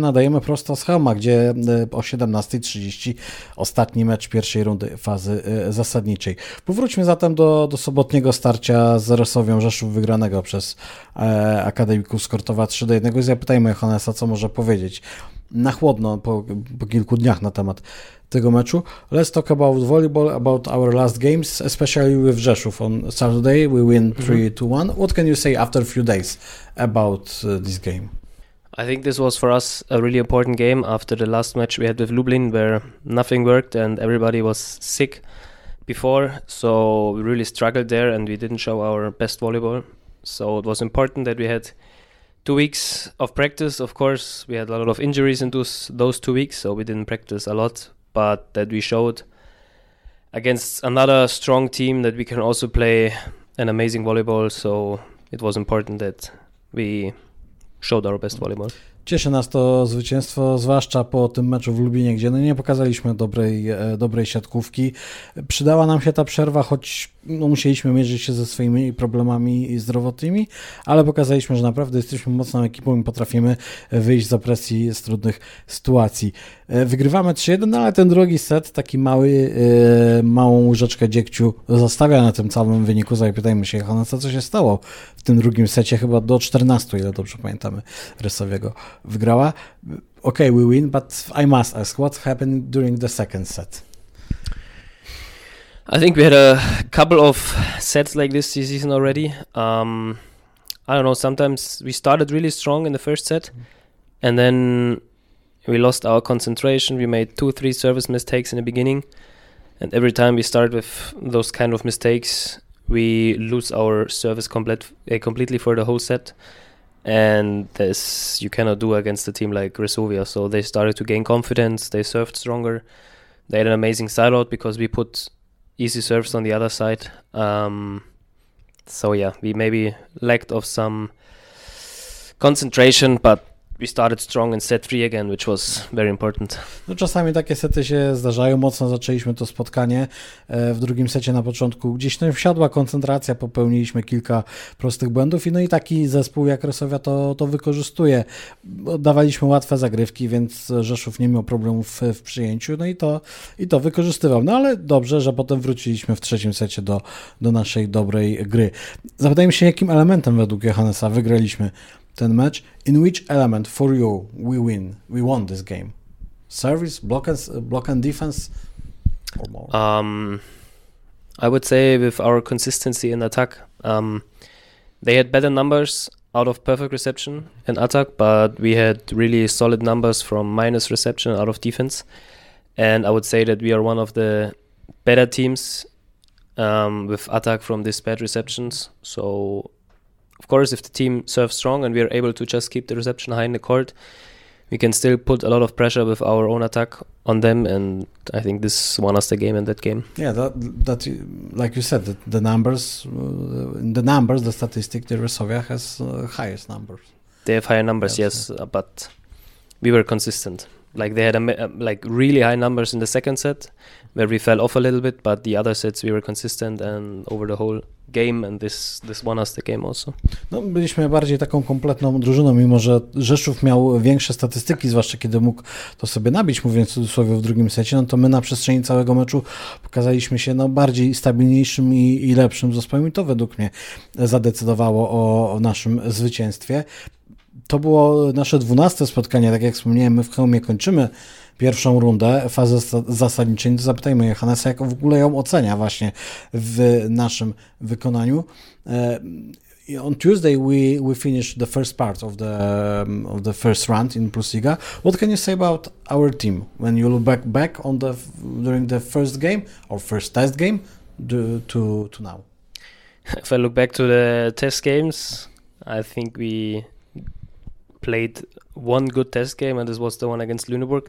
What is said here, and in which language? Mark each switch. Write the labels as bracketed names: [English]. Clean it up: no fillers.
[Polish] Nadajemy prosto z Chełma, gdzie o 17.30 ostatni mecz pierwszej rundy fazy zasadniczej. Powróćmy zatem do sobotniego starcia z Resowią Rzeszów, wygranego przez Akademików Skortowa 3-1. I zapytajmy Johannesa, co może powiedzieć na chłodno po kilku dniach na temat tego meczu. [English] Let's talk about volleyball, about our last games, especially with Rzeszów. On Saturday we win 3-1. What can you say after a few days about this game? I think this was for us a really important game after the last match we had with Lublin, where nothing worked and everybody was sick before. So we really struggled there and we didn't show our best volleyball. So it was important that we had 2 weeks of practice. Of course, we had a lot of injuries in those 2 weeks, so we didn't practice a lot. But that we showed against another strong team that we can also play an amazing volleyball. So it was important that we showed our best volleyball. [Polish] Cieszy nas to zwycięstwo, zwłaszcza po tym meczu w Lublinie, gdzie no nie pokazaliśmy dobrej siatkówki. Przydała nam się ta przerwa, choć no musieliśmy mierzyć się ze swoimi problemami zdrowotnymi, ale pokazaliśmy, że naprawdę jesteśmy mocną ekipą i potrafimy wyjść z opresji z trudnych sytuacji. Wygrywamy 3-1, ale ten drugi set, taki małą łyżeczkę dziegciu zostawia na tym całym wyniku. Zapytajmy się Johannesa, co się stało w tym drugim secie, chyba do 14, ile dobrze pamiętamy, Resowiego wygrała. [English] Okay, we win, but I must ask, what happened during the second set? I think we had a couple of sets like this season already. I don't know, sometimes we started really strong in the first set and then we lost our concentration. We made 2-3 service mistakes in the beginning, and every time we start with those kind of mistakes, we lose our service completely for the whole set. And this you cannot do against a team like Resovia. So they started to gain confidence, they served stronger, they had an amazing side out because we put easy serves on the other side. So yeah, we maybe lacked of some concentration, but we started strong in set 3 again, which was very important. [Polish] No, czasami takie sety się zdarzają. Mocno zaczęliśmy to spotkanie w drugim secie na początku. Gdzieś tam wsiadła koncentracja, popełniliśmy kilka prostych błędów i no i taki zespół jak Resovia to wykorzystuje. Dawaliśmy łatwe zagrywki, więc Rzeszów nie miał problemów w przyjęciu, no i to wykorzystywał. No ale dobrze, że potem wróciliśmy w trzecim secie do naszej dobrej gry. Zapytajmy się, jakim elementem według Johannesa wygraliśmy ten mecz. [English] In which element for you we won this game? Service, block and defense, or more? I would say with our consistency in attack. They had better numbers out of perfect reception and attack, but we had really solid numbers from minus reception out of defense. And I would say that we are one of the better teams with attack from these bad receptions. So of course, if the team serves strong and we are able to just keep the reception high in the court, we can still put a lot of pressure with our own attack on them, and I think this won us the game in that game. Yeah, that like you said, the numbers, the statistic, the Resovia has highest numbers. They have higher numbers, yes, yeah. But we were consistent. Like they had really high numbers in the second set, where we fell off a little bit, but the other sets we were consistent and over the whole game, and this won us the game also. [Polish] No, byliśmy bardziej taką kompletną drużyną, mimo że Rzeszów miał większe statystyki, zwłaszcza kiedy mógł to sobie nabić, mówiąc w cudzysłowie, w drugim secie, no to my na przestrzeni całego meczu pokazaliśmy się no, bardziej stabilniejszym i lepszym zespołem i to według mnie zadecydowało o naszym zwycięstwie. To było nasze 12 spotkanie, tak jak wspomniałem, my w Chełmie kończymy pierwszą rundę fazy zasadniczej. To zapytajmy Johannesa, jak w ogóle ją ocenia właśnie w naszym wykonaniu. [English] On Tuesday we finished the first part of the first round in Plusliga. What can you say about our team when you look back on the during the first game or first test game to now? If I look back to the test games, I think we played one good test game, and this was the one against Lüneburg.